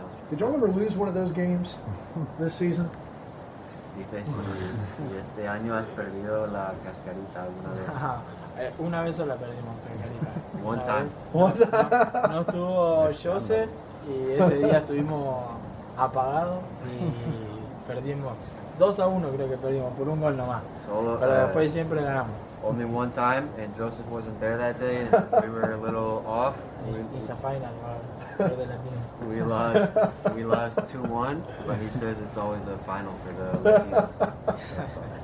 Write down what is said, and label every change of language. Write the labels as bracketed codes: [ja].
[en] Did y'all ever lose one of those games this season? [es] Este año has perdido la cascarita alguna vez. Una vez solo perdimos cascarita. [en] One time. [es] No estuvo Joseph y ese día estuvimos apagados y perdimos 2-1, creo que perdimos por un gol nomás. Solo, pero después siempre ganamos. [en] Only one time, and Joseph wasn't there that day, and we were a little off. It's a final, man. We lost 2-1, but he says it's always a final for the Latinos.